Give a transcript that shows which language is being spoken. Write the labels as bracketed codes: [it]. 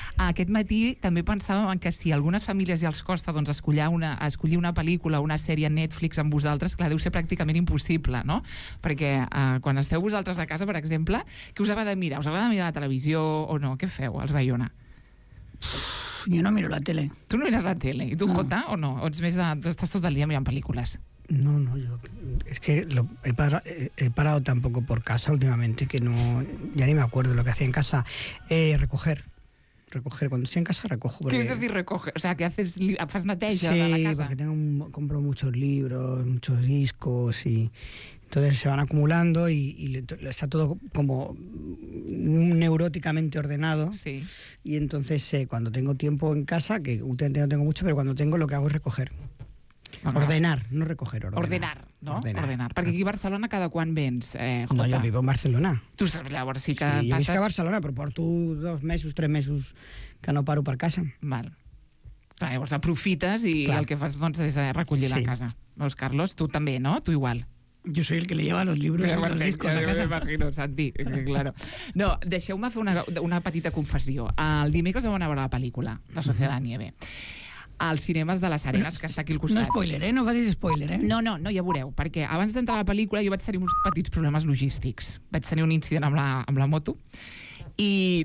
[ca] Aquest matí també pensàvem que si algunes famílies ja els costa doncs, escollir una pel·lícula o una sèrie a Netflix amb vosaltres, clar, deu ser pràcticament impossible, no? Perquè quan esteu vosaltres a casa, per exemple, què us agrada mirar? Us agrada mirar la televisió o no? Què feu, els Bayona? Jo no miro la tele. Tu no mires la tele. I tu, no. Jota, o no? O ets més estàs tot el dia mirant pel·lícules? No, no, jo... És que [es] he parado tan poco por casa últimamente que no... Ya ni me acuerdo lo que hacía en casa. Recoger. Recoger. Cuando estoy en casa, recojo. Porque... ¿Qué es decir recoger? O sea, [ca] que fas neteja sí, de la casa. [es] Sí, porque compro muchos libros, muchos discos y... Entonces se van acumulando y está todo como neuróticamente ordenado. Sí. Y entonces cuando tengo tiempo en casa, que últimamente no tengo mucho, pero cuando tengo lo que hago es recoger. Bueno. Ordenar, no recoger, ordenar. Ordenar, ¿no? Ordenar. [ca] Perquè aquí a Barcelona cada quant vens, Jota? No, jo vivo en Barcelona. Tu llavors sí que passes... Sí, jo visc a Barcelona, però porto 2 mesos, 3 mesos que no paro per casa. Val. Clar, llavors aprofites i clar. El que fas doncs, és recollir sí. la casa. Veus, Carlos? Tu també, no? Tu igual. [es] Yo soy el que le lleva los libros sí, y los discos a casa. Me imagino, Santi, claro. [ca] No, deixeu-me fer una petita confessió. El dimecres vam anar a veure la pel·lícula, La Sociedad de la Nieve, als cinemes de les Arenes, que està aquí al costat. No spoiler, no facis spoiler, No, ja veureu, perquè abans d'entrar a la pel·lícula jo vaig tenir uns petits problemes logístics. Vaig tenir un incident amb la moto i...